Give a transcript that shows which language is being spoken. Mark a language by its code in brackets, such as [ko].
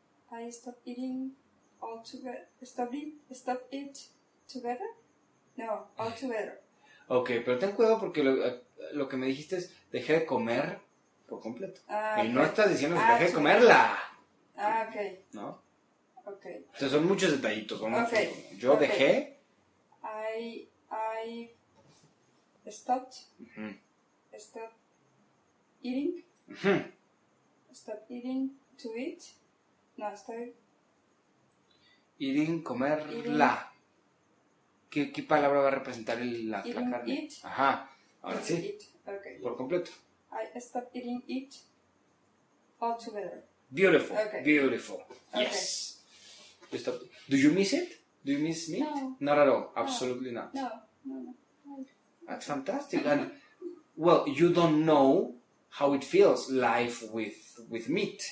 [en] I stopped eating all together. Stop it together? No, all together. [es] Ok, pero ten cuidado porque lo que me dijiste es dejé de comer por completo. Y no estás diciendo que dejé de comerla. Ok. ¿No? Ok. Entonces son muchos detallitos. Okay. Yo dejé. [en] I stopped. Mm-hmm. Stop eating. Mm-hmm. Stop eating to eat. No, stop. Eating, comer, eating. La. [es] ¿Qué palabra va a representar la carne? [en] Eating, eat. [es] Ajá. Ahora sí. [en] Eat. Okay. [es] Por completo. [en] I stop eating it all together. Beautiful. Okay. Beautiful. Yes. Okay. You stop. Do you miss it? Do you miss meat? No. Not at all. Absolutely no. Not. No. No, no. That's fantastic. And, well, you don't know how it feels life with meat.